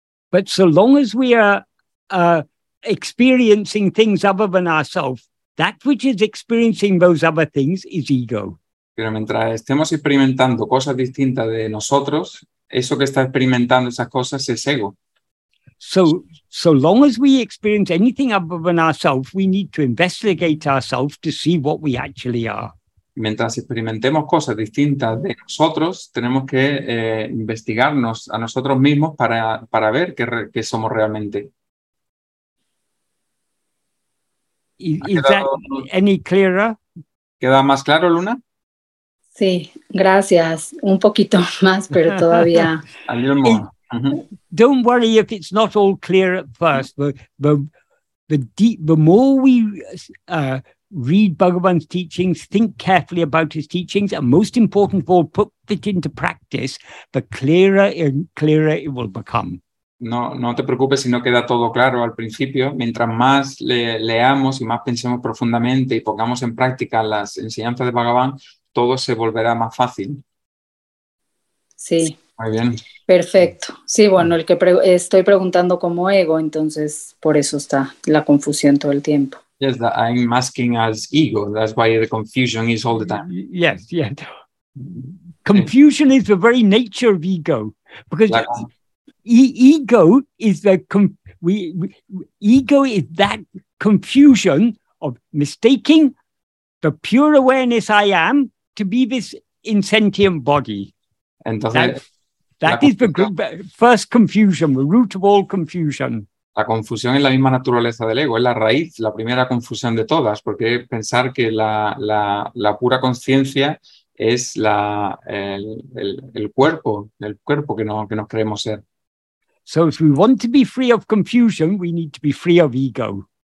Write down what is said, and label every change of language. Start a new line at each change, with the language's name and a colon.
English: But so long as we are experiencing things other than ourselves, that which is experiencing those other things is ego.
Spanish: Pero mientras estemos experimentando cosas distintas de nosotros, eso que está experimentando esas cosas es ego.
English: So long as we experience anything other than ourselves, we need to investigate ourselves to see what we actually are.
Spanish: Mientras experimentemos cosas distintas de nosotros, tenemos que investigarnos a nosotros mismos para ver qué somos realmente.
English: Is that any clearer?
Spanish: ¿Queda más claro, Luna? Sí, gracias. Un poquito más, pero todavía.
English: A little more. Don't worry if it's not all clear at first. The more we read Bhagavan's teachings, think carefully about his teachings, and most important of all, put it into practice, the clearer and clearer it will become.
Spanish: No, no te preocupes si no queda todo claro al principio. Mientras más leamos y más pensemos profundamente y pongamos en práctica las enseñanzas de Bhagavan, todo se volverá más fácil. Sí. Muy bien. Perfecto. Sí, bueno, el que estoy preguntando como ego, entonces por eso está la confusión todo el tiempo.
English: Yes, that I'm asking as ego. That's why the confusion is all the time. Yes, yes. Confusion is the very nature of ego. Because ego is that confusion of mistaking the pure awareness I am to be this insentient body.
Spanish: Entonces,
English: that is the first confusion, the root of all confusion.
Spanish: La confusión es la misma naturaleza del ego, es la raíz, la primera confusión de todas, porque pensar que la pura conciencia es el cuerpo que nos creemos ser.
English: So if we want to be free of confusion, we need to be free of ego.